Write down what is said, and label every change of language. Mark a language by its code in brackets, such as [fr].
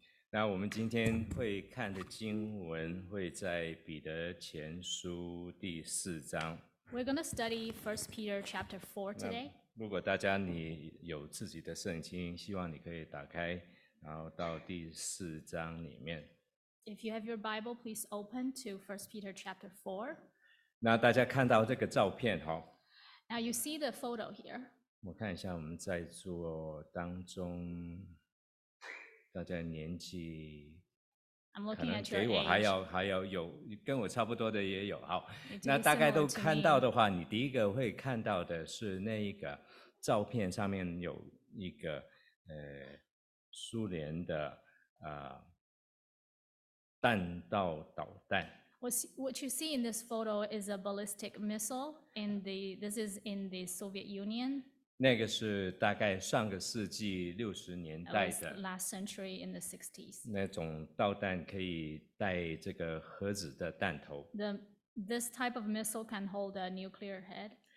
[zh] 那我们今天会看的经文会在彼得前书第四章。 [en] We're going to study 1 Peter chapter 4 today. [zh] 如果大家你有自己的圣经，希望你可以打开，然后到第四章里面。 [en] If you have your Bible, please open to 1 Peter chapter 4. [zh] 那大家看到这个照片哈。 [en] Now you see the photo here. [zh] 我看一下我们在座当中大家年纪可能比我还要有跟我差不多的也有好，那大概都看到的话，你第一个会看到的是那一个照片上面有一个苏联的弹道导弹。 [en] What you see in this photo is a ballistic missile in the this is in the Soviet Union. [zh] 那个是大概上个世纪六十年代的 [en] last century in the 60s [zh] 那种导弹可以带这个核子的弹头 [en] this type of missile can hold a nuclear head